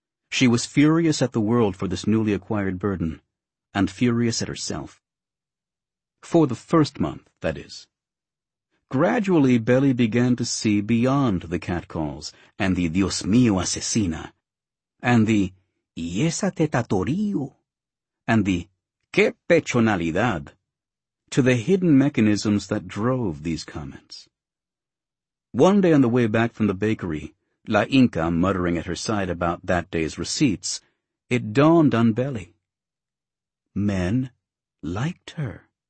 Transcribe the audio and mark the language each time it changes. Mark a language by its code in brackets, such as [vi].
[en] She was furious at the world for this newly acquired burden, and furious at herself. For the first month, that is. Gradually, Belly began to see beyond the catcalls and the [es] Dios mío asesina, [en] and the [es] ¿Y esa teta torillo? [en] And the [es] ¿Qué pechonalidad? [en] To the hidden mechanisms that drove these comments. One day on the way back from the bakery, La Inca muttering at her side about that day's receipts, it dawned on Belly. Men liked her.